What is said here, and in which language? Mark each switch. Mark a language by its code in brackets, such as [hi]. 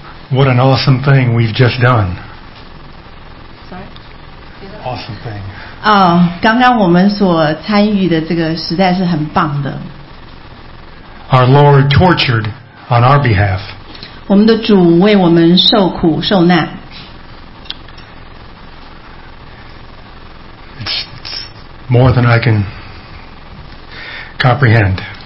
[en] What an awesome thing we've just done. Sorry. Awesome thing. [zh] 刚刚我们所参与的这个实在是很棒的。 [en] Our Lord tortured on our behalf. [zh] 我们的主为我们受苦受难。 [en] It's more than I can comprehend.